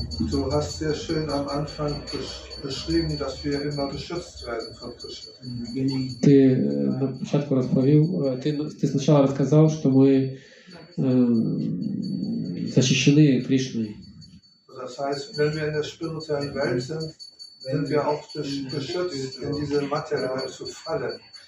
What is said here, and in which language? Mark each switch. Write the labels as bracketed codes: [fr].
[de] Du hast sehr schön am Anfang beschrieben, dass wir immer beschützt werden von Krishna. [ru] Ты [uk] на початку [ru] рассказал, ты сначала рассказал, что мы защищены Кришной. [de] Das heißt, wenn wir in der spirituellen Welt sind, sind wir auch geschützt, in diese Materie zu fallen.